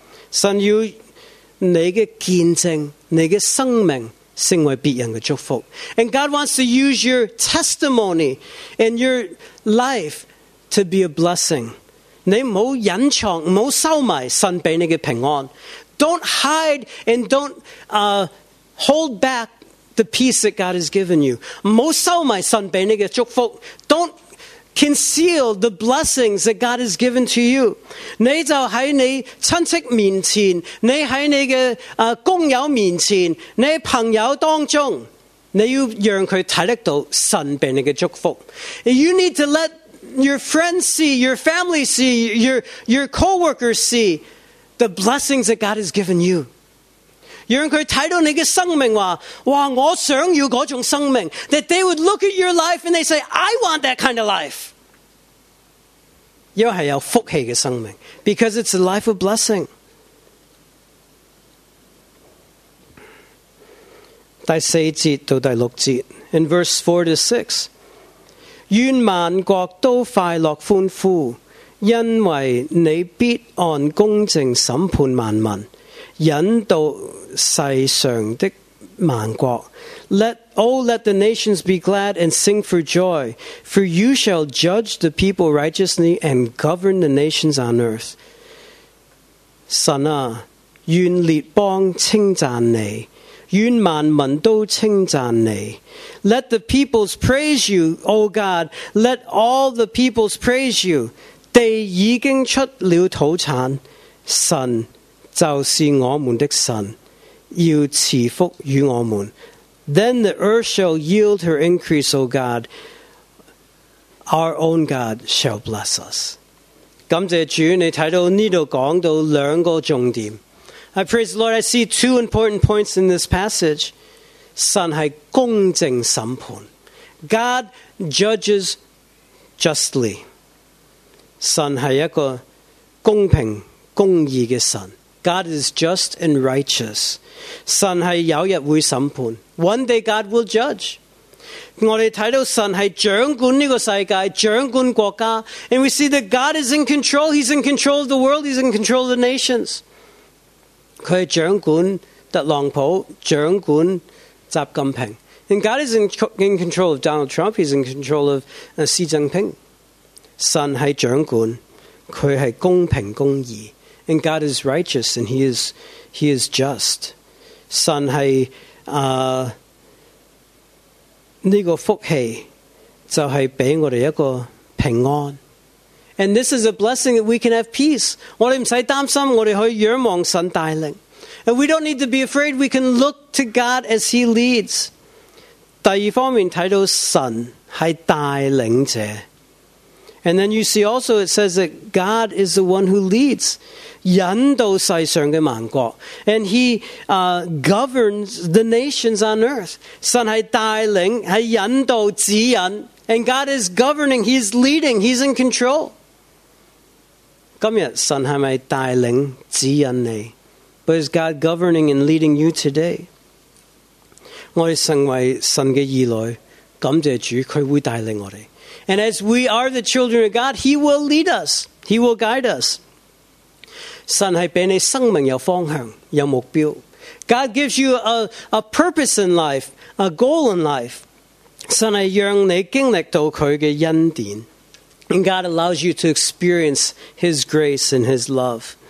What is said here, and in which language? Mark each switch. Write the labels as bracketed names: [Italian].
[Cantonese] 神要你的见证，你的生命成为别人的祝福。 [English] And God wants to use your testimony and your life to be a blessing. [Cantonese] 你不要隐藏，不要收埋神给你的平安。 [English] Don't hide and don't hold back the peace that God has given you. [Cantonese] 不要收埋神给你的祝福。 [English] Don't conceal the blessings that God has given to you. [Cantonese] 你就在你亲戚面前，你在你的工友面前，你朋友当中，你要让他看得到神给你的祝福。 [English] You need to let your friends see, your family see, your co-workers see the blessings that God has given you. [Cantonese] 让他看到你的生命，说哇，我想要那种生命。 [English] That they would look at your life and they say, I want that kind of life. [Cantonese] 因为是有福气的生命。 [English] Because it's a life of blessing. [Cantonese] 第四节到第六节。 [English] In verse 4 to 6, [Cantonese] 愿万国都快乐欢呼，因为你必按公正审判万民，引导世上的万国。 [English] Let the nations be glad and sing for joy, for you shall judge the people righteously and govern the nations on earth. [Cantonese] 神啊，愿列邦称赞你，愿万民都称赞你。 [English] Let the peoples praise you, O God. Let all the peoples praise you. [Cantonese] 地已经出了土产，神就是我们的神，要赐福与我们。 [English] Then the earth shall yield her increase, O God. Our own God shall bless us. [Cantonese] 感謝主，你睇到呢度講到兩個重點。 [English] I praise the Lord. I see two important points in this passage. [Cantonese] 神係公正審判。 [English] God judges justly. [Cantonese] 神係一個公平公義嘅神。 [English] God is just and righteous. [Cantonese] 神係有日會審判。 [English] One day God will judge. [Cantonese] 我们看到神是掌管这个世界，掌管国家。 [English] And we see that God is in control. He's in control of the world. He's in control of the nations. [Cantonese] 他是掌管特朗普，掌管习近平。 [English] And God is in control of Donald Trump. He's in control of Xi Jinping. [Cantonese] 神是掌管，他是公平公义。 [English] And God is righteous and he is just. [Cantonese] 神是这个福气就是给我们一个平安。 [English] And this is a blessing that we can have peace. [Cantonese] 我们不用担心，我们可以仰望神带领。 [English] And we don't need to be afraid, we can look to God as he leads. [Cantonese] 第二方面看到神是带领者。 [English] And then you see also it says that God is the one who leads, [Cantonese] 引导世上的万国。 [English] And he governs the nations on earth. [Cantonese] 神是带领，是引导，指引。 [English] And God is governing, he's leading, he's in control. [Cantonese] 今天神是不是带领，指引你？ [English] But is God governing and leading you today? [Cantonese] 我们成为神的儿女，感谢主，祂会带领我们。 [English] And as we are the children of God, he will lead us. He will guide us. [Cantonese] 神是给你生命有方向，有目标。 [English] God gives you a purpose in life, a goal in life. [Cantonese] 神是让你经历到祂的恩典。 [English] And God allows you to experience his grace and his love.